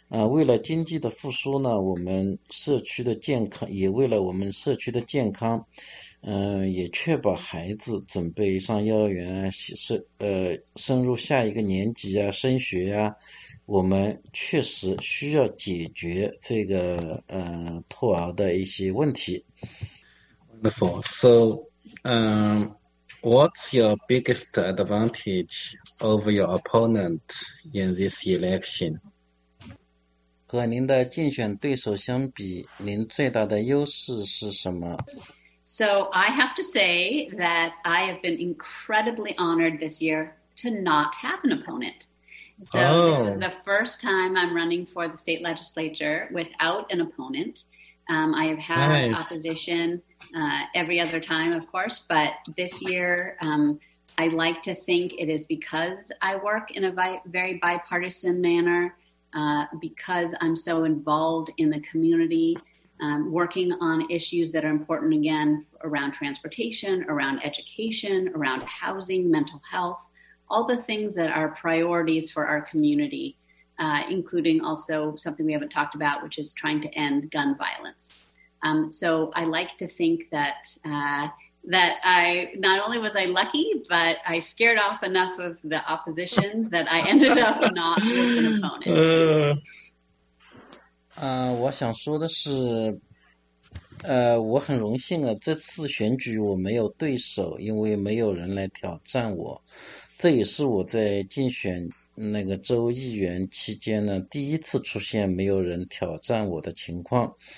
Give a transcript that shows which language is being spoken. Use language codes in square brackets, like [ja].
[zh] 为了经济的复苏呢，我们社区的健康，也为了我们社区的健康，也确保孩子准备上幼儿园啊，升入下一个年级啊，升学啊，我们确实需要解决这个托儿的一些问题。 [en] Wonderful. So, what's your biggest advantage over your opponent in this election? [zh] 和您的竞选对手相比，您最大的优势是什么？ [en] So I have to say that I have been incredibly honored this year to not have an opponent. So this is the first time I'm running for the state legislature without an opponent. I have had opposition every other time, of course, but this year I like to think it is because I work in a very bipartisan manner, because I'm so involved in the community, working on issues that are important, again, around transportation, around education, around housing, mental health, all the things that are priorities for our community, including also something we haven't talked about, which is trying to end gun violence. So I like to think that, that I, not only was I lucky, but I scared off enough of the opposition that I ended up not with an opponent. [zh] 我想说的是，我很荣幸啊，这次选举我没有对手，因为没有人来挑战我。这也是我在竞选那个州议员期间呢，第一次出现没有人挑战我的情况。